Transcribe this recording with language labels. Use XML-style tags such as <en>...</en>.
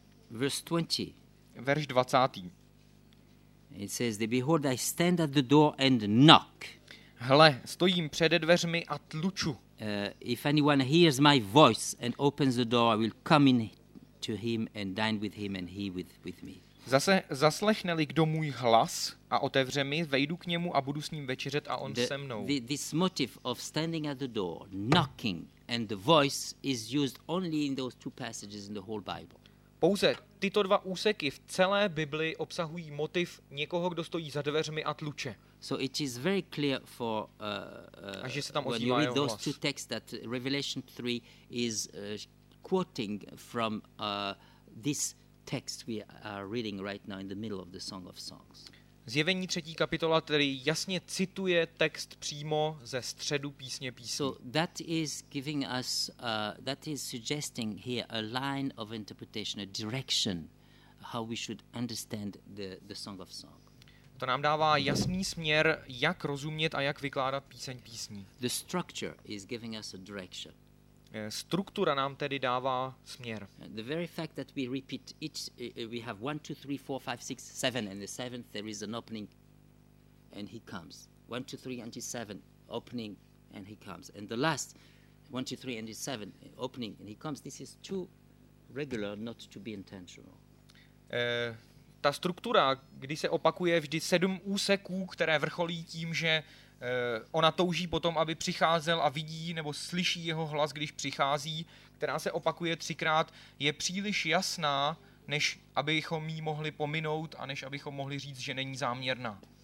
<cs>Verš 20.</cs> <en>It says, the behold, I stand at the door and knock.</en> <cs>Hle, stojím přede dveřmi a tluču.</cs> <en>If anyone hears my voice and opens the door, I will come in to him and dine with him and he with me.</en> <cs>Zase zaslechne-li kdo můj hlas a otevře mi, vejdu k němu a budu s ním večeřet a on se mnou.</cs> <en>This motif of standing at the door, knocking, and the voice is used only in those two passages in the whole Bible.</en> <cs>Pouze tyto dva úseky v celé Bibli obsahují motiv někoho, kdo stojí za dveřmi a tluče.</cs> <en>So it is very clear for when you read those two texts that Revelation 3 is quoting from this text we are reading right now in the middle of the Song of Songs.</en> <cs>Zjevení 3. kapitola tedy jasně cituje text přímo ze středu písně písní.</cs> <en>So that is giving us that is suggesting here a line of interpretation, a direction how we should understand the Song of Song.</en> <cs>To nám dává jasný směr, jak rozumět a jak vykládat píseň písní.</cs> <en>The structure is giving us a direction.</en> <cs>Struktura nám tedy dává směr.</cs> <en>The very fact that we repeat each, we have 1, 2, 3, 4, 5, 6, 7, and the seventh there is an opening, and he comes. 1, 2, 3, and 7, opening, and he comes. And the last, 1, 2, 3, and 7, opening, and he comes. This is too regular not to be intentional.</en> <cs>Ta struktura, kdy se opakuje vždy 7 úseků, které vrcholí tím, že ona touží potom, aby přicházel a vidí nebo slyší jeho hlas, když přichází, která se opakuje 3x, je příliš jasná, než abychom jí mohli pominout a než abychom mohli říct, že není záměrná.</cs>